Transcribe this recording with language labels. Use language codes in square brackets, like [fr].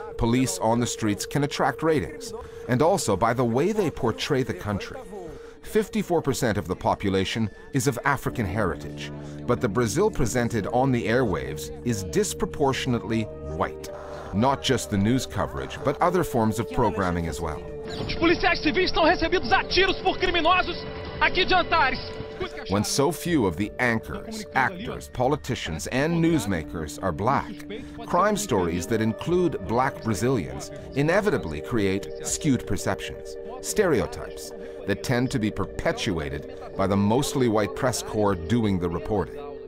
[en] Police on the streets can attract ratings, and also by the way they portray the country. 54% of the population is of African heritage, but the Brazil presented on the airwaves is disproportionately white. Not just the news coverage, but other forms of programming as well. [pt] Os policiais civis estão recebidos a tiros por criminosos aqui de Antares. [en] When so few of the anchors, actors, politicians, and newsmakers are black, crime stories that include black Brazilians inevitably create skewed perceptions, stereotypes, that tend to be perpetuated by the mostly white press corps doing the reporting.